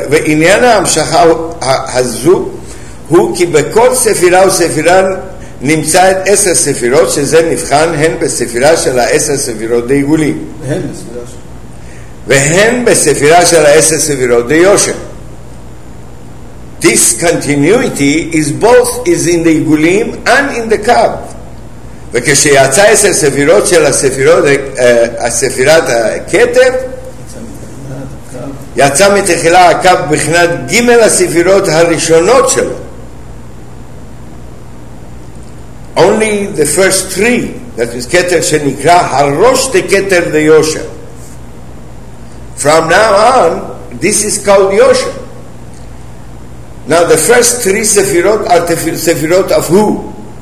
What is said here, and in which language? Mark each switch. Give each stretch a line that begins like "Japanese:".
Hebrew: ועניין ההמשכה הזו הוא כי בכל ספירה וספירה נמצא את עשר ספירות, שזה נבחן הן בספירה של העשר ספירות דעיגולים. והן בספירה של העשר ספירות דיושר.
English: This continuity is both is in the עיגולים and in the קו.
Hebrew: וכשיצא עשר ספירות של הספירות, הספירת הכתר, יצא מתחילה הקו בחינת ג' הספירות הראשונות שלו.
English: Only the first three, that is
Hebrew: כתר שנקרא הראש דכתר דיושר.
English: From now on, this is called יושר. Now the first three ספירות are the ספירות of who?